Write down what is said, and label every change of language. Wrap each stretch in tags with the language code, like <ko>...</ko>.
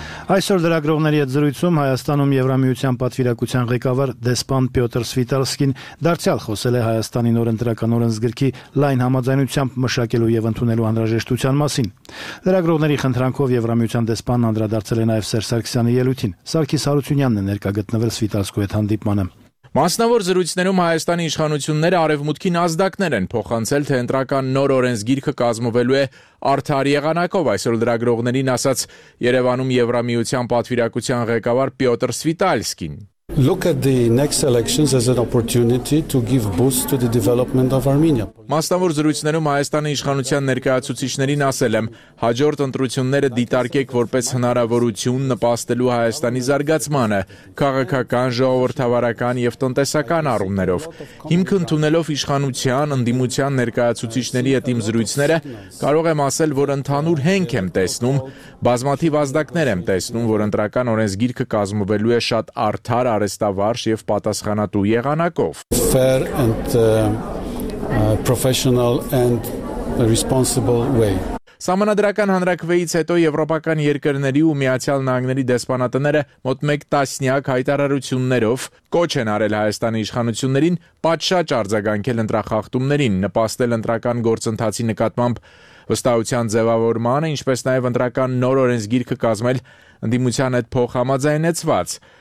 <hy>Այսօր լրագրողների հետ զրույցում Հայաստանում Եվրամիության պատվիրակության ղեկավար դեսպան Պյոտր Սվիտալսկին դարձյալ խոսել է Հայաստանի նոր ընտրական օրենսգրքի լայն համաձայնությամբ մշակելու եւ ընդունելու անհրաժեշտության մասին։ Լրագրողների խնդրանքով Եվրամիության դեսպանն անդրադարձել է նաեւ Սերժ Սարգսյանի ելույթին։ Սարգիս Հարությունյանն է ներկա գտնվել Սվիտալսկու հետ հանդիպմանը։ Մասնավոր զրույցներում Հայաստանի իշխանությունները արևմուտքին ազդակներ են փոխանցել, թե ընտրական նոր օրենսգիրքը կազմվելու է արդար եղանակով, այսօր լրագրողներին ասաց Երևանում Եվրամիության պատվիրակության ղեկավար Պյոտր Սվիտալսկին։</hy> <en>Look at the next elections as an opportunity to give boost to the development of Armenia.</en> <hy>Մասնավոր զրույցներում Հայաստանի իշխանության ներկայացուցիչներին ասել եմ, հաջորդ ընտրությունները դիտարկեք որպես հնարավորություն նպաստելու Հայաստանի զարգացմանը, քաղաքական, ժողովրդավարական եւ տնտեսական առումներով։ Հիմք ընդունելով իշխանության ընդդիմության ներկայացուցիչների հետ իմ զրույցները, կարող եմ ասել, որ ընդհանուր հենք եմ տեսնում, բազմաթիվ ազդակներ եմ տեսնում, որ ընտրական օրենսգիրքը կազմվելու է շատ արդար արեստավարշ եւ պատասխանատու եղանակով.</hy> <en>Fair and professional and responsible way.</en> <hy>Սահմանադրական հանրակրվեից հետո եվրոպական երկրների ու միացյալ նահանգների դեսպանատները մոտ 1 տասնյակ հայտարարություններով կոչ են արել Հայաստանի իշխանություններին պատշաճ արձագանքել ընտրախախտումներին, նպաստել ընտրական գործընթացի նկատմամբ վստահության ձևավորմանը, ինչպես նաեւ ընտրական նոր օրենսգիրքը կազմել ընդդիմության այդ փոխհամաձայնեցված.</hy>